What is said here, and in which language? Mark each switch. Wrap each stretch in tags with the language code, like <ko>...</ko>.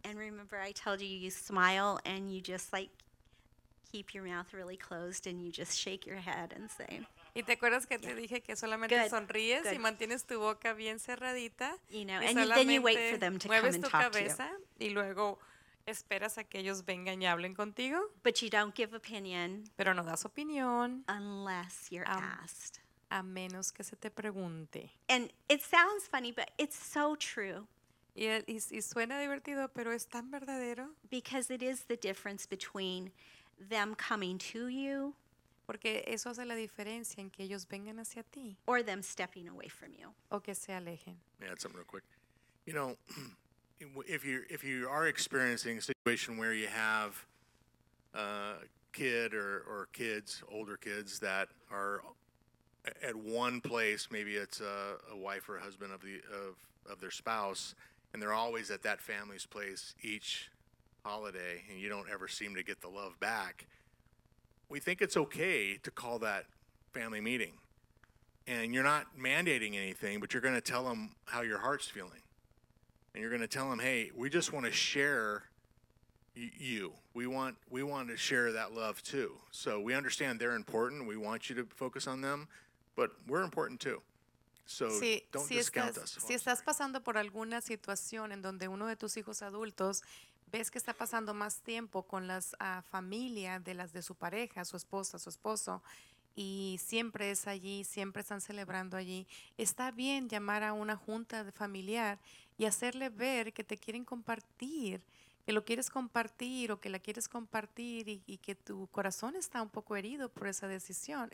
<en>And remember I told you, you smile and you just like keep your mouth really closed and you just shake your head and say,</en> <es>Y te acuerdas que te dije que solamente sonríes y mantienes tu boca bien cerradita.</es> <en>You know, and then you wait for them to come and talk</en> <es>cabeza,</es> <en>to you.</en> <es>Y luego esperas a que ellos vengan y hablen contigo.</es> <en>But you don't give opinion.</en> <es>Pero no das opinión.</es> <en>Unless you're asked.</en> <es>A menos que se te pregunte.</es> <en>And it sounds funny, but it's so true.</en> <es>Y suena divertido, pero es tan verdadero.</es> <en>Because it is the difference between them coming to you.</en> <es>Porque eso hace la diferencia en que ellos vengan hacia ti.</es> <en>Or them stepping away from you.</en> <es>O que se alejen.</es> <en>Let me add something real quick. You know, if you are experiencing a situation where you have a kid or kids, older kids that are at one place, maybe it's a wife or a husband of their spouse, and they're always at that family's place each holiday, and you don't ever seem to get the love back, we think it's okay to call that family meeting. And you're not mandating anything, but you're going to tell them how your heart's feeling. And you're going to tell them, hey, we just want to share you. We want to share that love too. So we understand they're important. We want you to focus on them, but we're important too. So</en> <es>sí,</es> <en>don't</en> <es>si</es> <en>discount</en> <es>estás,</es> <en>us.</en> <es>Si estás pasando por alguna situación en donde uno de tus hijos adultos ves que está pasando más tiempo con las familia de las de su pareja, su esposa, su esposo, y siempre es allí, siempre están celebrando allí, está bien llamar a una junta de familiar y hacerle ver que te quieren compartir, que lo quieres compartir o que la quieres compartir y que tu corazón está un poco herido por esa decisión.</es>